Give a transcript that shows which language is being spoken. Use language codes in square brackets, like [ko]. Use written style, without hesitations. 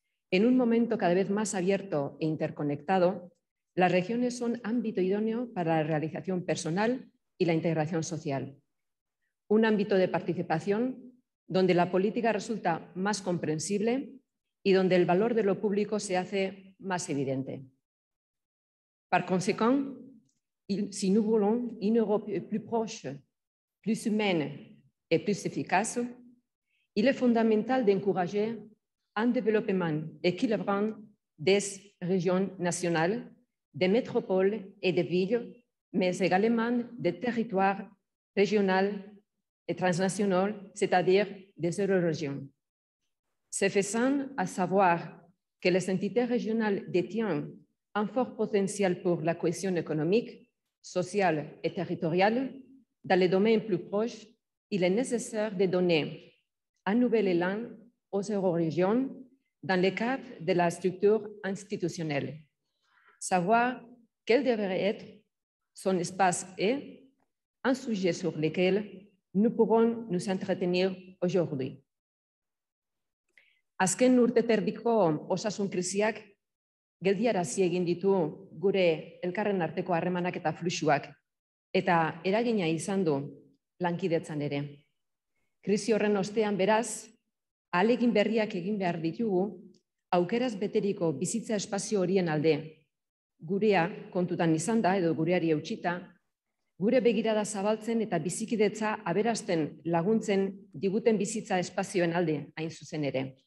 [es] En un momento cada vez más abierto e interconectado, las regiones son ámbito idóneo para la realización personal y la integración social. Un ámbito de participación donde la política resulta más comprensible y donde el valor de lo público se hace más evidente. [fr] Par conséquent, si nous voulons une Europe plus proche, plus humaine et plus efficace, il est fondamental d'encourager un développement équilibrant des régions nationales, des métropoles et des villes, mais également des territoires régionaux et transnationaux, c'est-à-dire des eurorégions. C'est faisant à savoir que les entités régionales détiennent un fort potentiel pour la cohésion économique, sociale et territoriale dans les domaines plus proches, il est nécessaire de donner un nouvel élan aux eurorégions dans le cadre de la structure institutionnelle. Savoir quel devrait être son espace est un sujet sur lequel nous pourrons nous entretenir aujourd'hui. [eu] Azken urte terdiko osasun krisiak geldiarazi egin ditu gure elkarren arteko harremanak eta fluxuak, eta eragina izan du lankidetzan ere. Krisi horren ostean beraz, ahalegin berriak egin behar ditugu aukeraz beteriko bizitza espazio horien alde, gurea kontutan izan da edo gureari eutxita, gure begirada zabaltzen eta bizikidetza aberasten laguntzen diguten bizitza espazioen alde hain zuzen ere.